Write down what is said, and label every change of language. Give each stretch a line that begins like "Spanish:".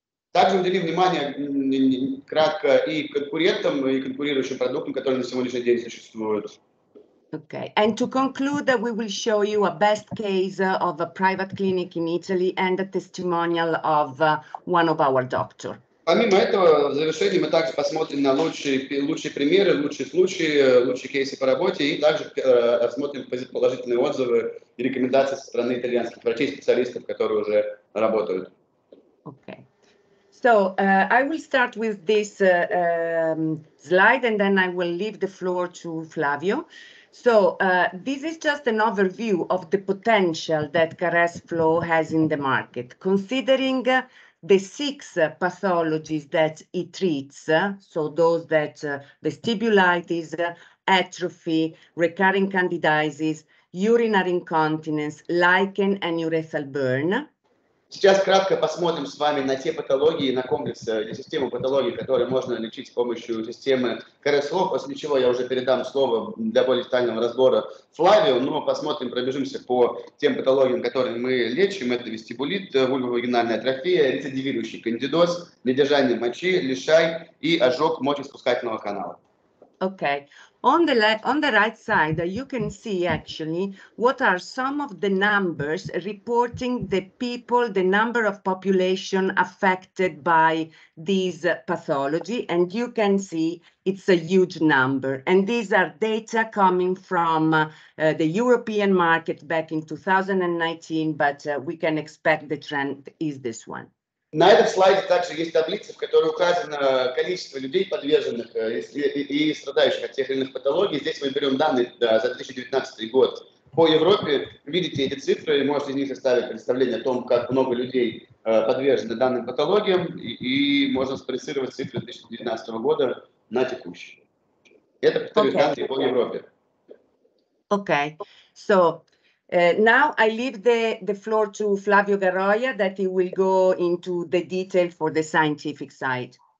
Russian: Также уделим внимание кратко и конкурентам, и конкурирующим продуктам, которые на сегодняшний день существуют.
English: Okay, and to conclude that we will show you a best case of a private clinic in Italy and a testimonial of one of our doctors.
Russian: Помимо этого, в завершении мы также посмотрим на лучшие примеры, лучшие случаи, лучшие кейсы по работе и также рассмотрим положительные отзывы и рекомендации со стороны итальянских врачей-специалистов, которые уже работают.
English: Okay. So I will start with this slide and then I will leave the floor to Flavio. So this is just an overview of the potential that Caress Flow has in the market, considering the six pathologies that it treats, so those that vestibulitis, atrophy, recurring candidiasis, urinary incontinence, lichen and urethral burn.
Russian: Сейчас кратко посмотрим с вами на те патологии, на комплекс и систему патологий, которые можно лечить с помощью системы CARES-FLOW, после чего я уже передам слово для более детального разбора Флавио, но посмотрим, пробежимся по тем патологиям, которые мы лечим. Это вестибулит, вульвовагинальная атрофия, рецидивирующий кандидоз, недержание мочи, лишай и ожог мочеиспускательного канала.
English: Okay. On the right side, you can see actually what are some of the numbers reporting the people, the number of population affected by these pathology. And you can see it's a huge number. And these are data coming from the European market back in 2019, but we can expect the trend is this one.
Russian: На этом слайде также есть таблица, в которой указано количество людей, подверженных и страдающих от тех или иных патологий. Здесь мы берем данные за 2019 год по Европе. Видите эти цифры, можете из них составить представление о том, как много людей подвержены данным патологиям, и можно спроецировать цифры 2019 года на текущие. Это повторюсь, данные по Европе.
English: Okay. So... now I leave the floor to Flavio Garroia that he will go into the detail for the scientific side.